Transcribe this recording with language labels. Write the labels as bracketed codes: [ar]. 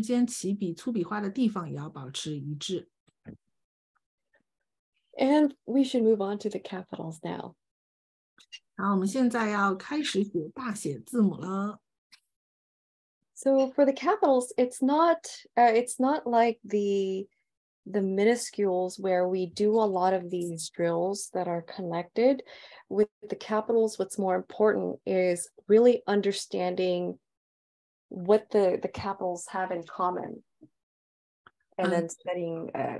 [zh] 当我们形状保持一致之后呢，接下来我们就要注意我们的粗笔画开始的地方也要保持一致。如果我是想要在二分之一的地方加粗呢，我们所有的这个回环的笔画都应该在这个地方，或者你希望你的粗笔画开始的早一点或者晚一点，这都可以。但是你的每一个回环之间起笔粗笔画的地方也要保持一致。 [en] And we should move on to the capitals now. [zh] 好，我们现在要开始写大写字母了。 [en] So for the capitals, it's not like the minuscules where we do a lot of these drills that are connected. With the capitals, what's more important is really understanding what the capitals have in common, and then studying.